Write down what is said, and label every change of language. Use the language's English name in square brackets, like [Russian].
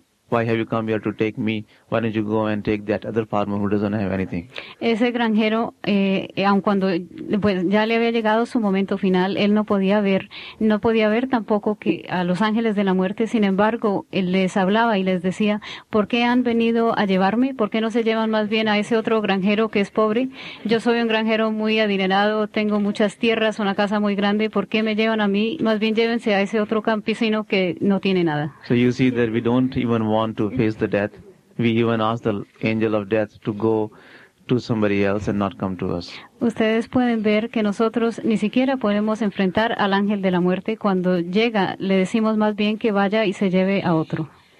[English] Why have you come here to take me? Why don't you go and take that other farmer who doesn't have anything? [Spanish] Ese granjero, aun cuando pues, ya le había llegado su momento final, él no podía ver tampoco que a los ángeles de la muerte. Sin embargo, él les hablaba y les decía, ¿por qué han venido a llevarme? ¿Por qué no se llevan más bien a ese otro granjero que es pobre? Yo soy un granjero muy adinerado, tengo muchas tierras, una casa muy grande. ¿Por qué me llevan a mí? Más bien llévense a ese otro campesino que no tiene nada. [English] So you see that we don't even want to face the death. We even ask the angel of death to go to somebody else and not come to us. [Spanish] Ustedes pueden ver que nosotros ni siquiera podemos enfrentar al ángel de la muerte. Cuando llega, le decimos más bien que vaya y se lleve a otro.